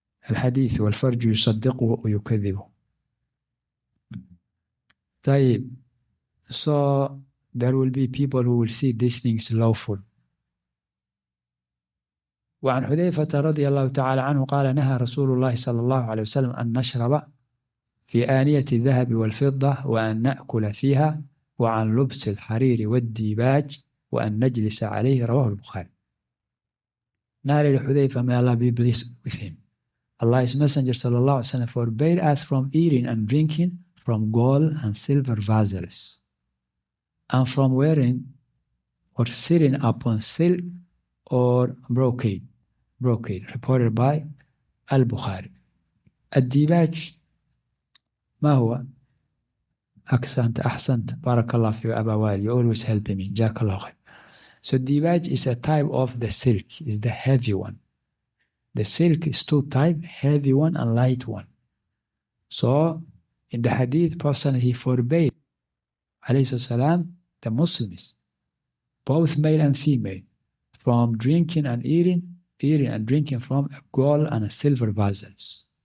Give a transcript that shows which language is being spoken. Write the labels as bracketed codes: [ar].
[ar] الحديث والفرج يصدقه ويكذبه. [en] طيب, so there will be people who will see these things lawful. [ar] وعن حذيفة رضي الله تعالى عنه قال نهى رسول الله صلى الله عليه وسلم أن نشرب في آنية الذهب والفضة وأن نأكل فيها وعن لبس الحرير والديباج وأن نجلس عليه, رواه البخاري. [en] نهى لحذيفة, may Allah be pleased with him, Allah's messenger صلى الله عليه وسلم forbade us from eating and drinking from gold and silver vessels and from wearing or sitting upon silk or brocade, reported by Al-Bukhari. [ar] الديباج ما هو؟ أحسنت بارك الله في أبا والي, [en] you always help me, [ar] جاك الله خير. [en] So الديباج is a type of the silk, is the heavy one. The silk is two type, heavy one and light one. So in the hadith, Prophet he forbade alayhi salam the Muslims, both male and female, from drinking and eating and drinking from a gold and a silver vessels.